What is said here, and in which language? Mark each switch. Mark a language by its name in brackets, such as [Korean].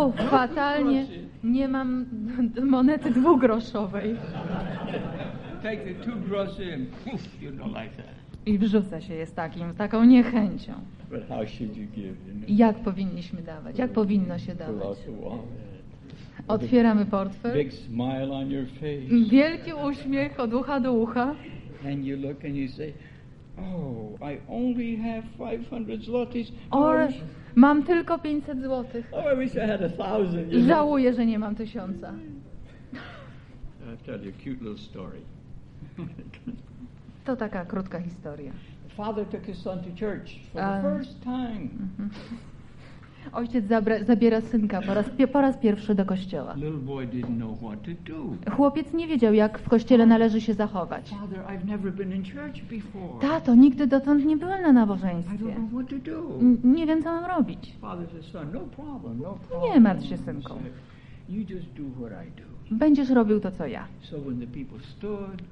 [Polish] Fatalnie. Nie mam monety dwugroszowej. [English] Take the two groszy and poof, you don't like that. [Polish] I wrzuca się je z takim, z taką niechęcią. [English] But how should you give, you know? [Polish] Jak powinniśmy dawać? Jak powinno się dawać? Otwieramy portfel. [English] Big smile on your face. [Polish] Wielki uśmiech od ucha do ucha. [English] And you look and you say, oh, I only have 500 zlotys. [Polish] Mam tylko 500 złotych. [English] Oh, I wish I had 1,000. [Polish] Żałuję, że nie mam 1,000. [English] I'll tell you a cute little story. [Polish] To taka krótka historia. [English] Father took his son to church for the first time. [Polish] Ojciec zabiera synka po raz pierwszy do kościoła. [English] Little boy didn't know what to do. [Polish] Chłopiec nie wiedział, jak w kościele należy się zachować. [English] Father, I've never been in church before. [Polish] Tato, nigdy dotąd nie byłem na nabożeństwie. [English] I don't know what to do. [Polish] Nie wiem, co mam robić. [English] Father said, son, no problem, no problem. [Polish] Nie martw się, synku. [English] You just do what I do. [Polish] Będziesz robił to, co ja. [English] So when the people stood,